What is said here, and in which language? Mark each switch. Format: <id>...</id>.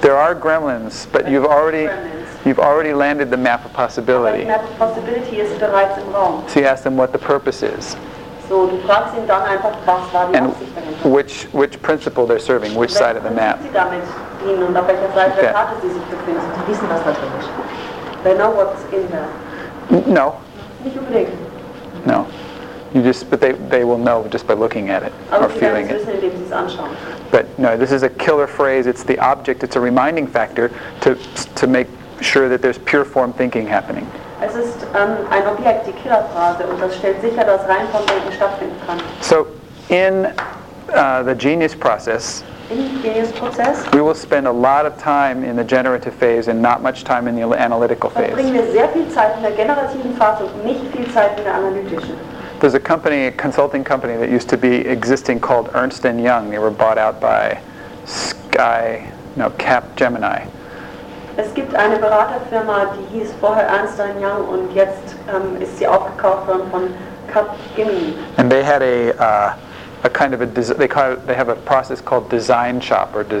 <en>There are gremlins, but you've already landed the map of possibility. The map of possibility is</en> <de>bereits im Raum.</de> <en>So you ask them what the purpose is.</en> <de>So du fragst ihn dann einfach, was war die Absicht dahinter?</de> <en>Which principle they're serving, which side of the map.</en> <de>Sie damit dienen und auf welcher Seite der Karte sie sich befinden. Sie wissen das natürlich.</de> <en>They know what's in there. No.</en> <de>Nicht unbedingt.</de> <en>No. But they will know just by looking at it or feeling it. But no, this is a killer phrase. It's the object. It's a reminding factor to make sure that there's pure form thinking happening.</en> <de>Es ist ein Objekt, die Killerphrase, und das stellt sicher, dass rein vom Denken stattfinden kann.</de> <en>So, in the genius process. In the genius process. We will spend a lot of time in the generative phase and not much time in the analytical phase.</en> <de>Dann bringen wir sehr viel Zeit in der generativen Phase und nicht viel Zeit in der analytischen.</de> <en>There's a company, a consulting company that used to be existing called Ernst & Young. They were bought out by Capgemini.</en> <de>Es gibt eine Beraterfirma, die hieß vorher Ernst & Young und jetzt ist sie aufgekauft worden von Capgemini.</de> <en>And they had a process called design shop.</en>